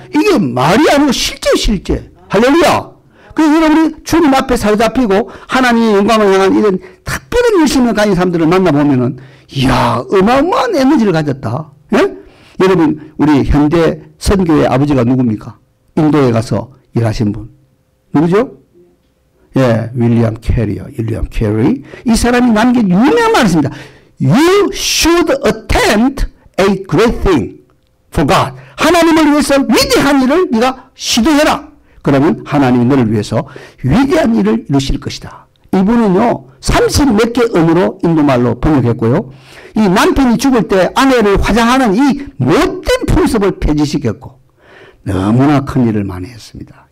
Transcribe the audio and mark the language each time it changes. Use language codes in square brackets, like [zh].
[ko] 이게 말이 아니고 실제. 할렐루야. 그래서 여러분이 주님 앞에 사로잡히고 하나님의 영광을 향한 이런 특별한 열심을 가진 사람들을 만나보면은, 이야, 어마어마한 에너지를 가졌다. 예? 여러분, 우리 현대 선교의 아버지가 누굽니까? 인도에 가서 일하신 분. 누구죠? 예, 윌리엄 캐리어, 윌리엄 캐리. 이 사람이 남긴 유명한 말입니다. [en] You should attempt a great thing for God. [ko] 하나님을 위해서 위대한 일을 네가 시도해라. 그러면 하나님이 너를 위해서 위대한 일을 이루실 것이다. 이분은요, 삼십 몇 개 음으로 인도말로 번역했고요. 이 남편이 죽을 때 아내를 화장하는 이 못된 풍습을 폐지시켰고, 너무나 큰 일을 많이 했습니다.